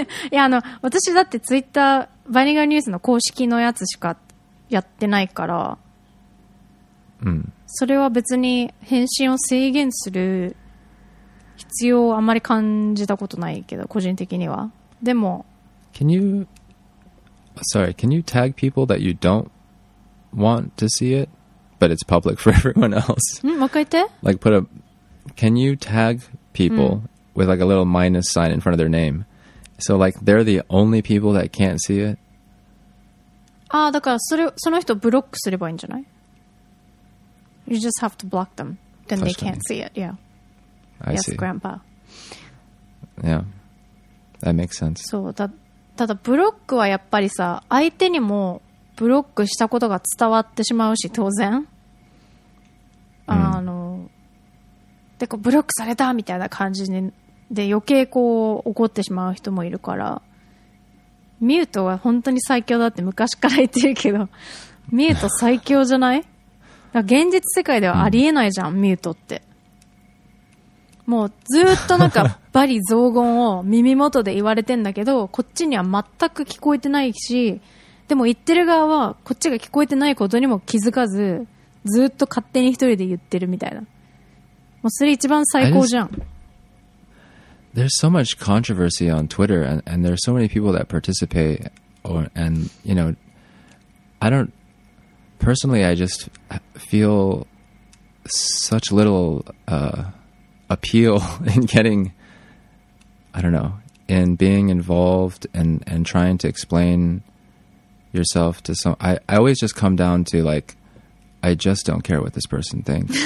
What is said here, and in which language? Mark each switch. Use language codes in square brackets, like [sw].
[ja] いや、あの、私だってツイッター、バイリンガルニュースの公式のやつしかやってないから、うん。それは別に返信を制限する必要をあんまり感じたことないけど、個人的には。でも、 [en] can you tag people that you don't want to see it? but it's public for everyone else. Like put a, can you tag people with like a little minus sign in front of their name? So like they're the only people that can't see it. [ja] Ah, だからそれその人ブロックすればいいんじゃない? [en] You just have to block them. Then they can't see it. Yeah. I yes, see. Grandpa. Yeah. That makes sense. [ja] そう、だ、ただブロックはやっぱりさ、相手にもブロックしたことが伝わってしまうし、当然。あの、で、こうブロックされたみたいな感じに、で、余計こう怒ってしまう人もいるから。ミュートは本当に最強だって昔から言ってるけど、ミュート最強じゃない? だから現実世界ではありえないじゃん、ミュートって。もうずっとなんかバリ雑言を耳元で言われてんだけど、こっちには全く聞こえてないし、でも言ってる側はこっちが聞こえてないことにも気づかず、ずっと勝手に一人で言ってるみたいな。もうそれ一番最高じゃん。 [en] There's so much controversy on Twitter, and there's so many people that participate, or, and, you know, I don't, personally, I just feel such little appeal in getting, I don't know, in being involved and trying to explain yourself to some, I always just come down to, like, I just don't care what this person thinks.